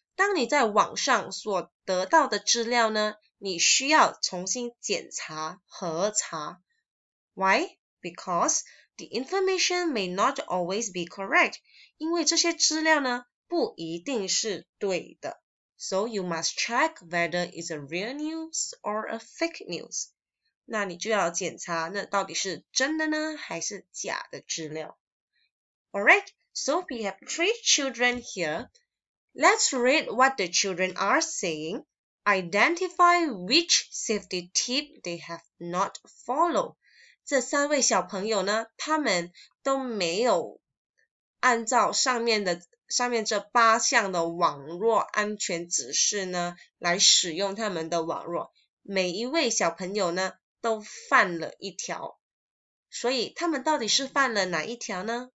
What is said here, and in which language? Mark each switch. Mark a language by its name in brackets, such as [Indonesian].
[Chinese] 当你在网上所得到的资料呢，你需要重新检查核查。 [English] Why? Because the information may not always be correct. [Chinese] 因为这些资料呢不一定是对的。 [English] So you must check whether it's a real news or a fake news. [Chinese] 那你就要检查那到底是真的呢还是假的资料。 [English] Alright, so we have three children here. Let's read what the children are saying. Identify which safety tip they have not followed. [Chinese] 这三位小朋友呢他们都没有按照上面这八项的网络安全指示呢来使用他们的网络，每一位小朋友呢都犯了一条，所以他们到底是犯了哪一条呢？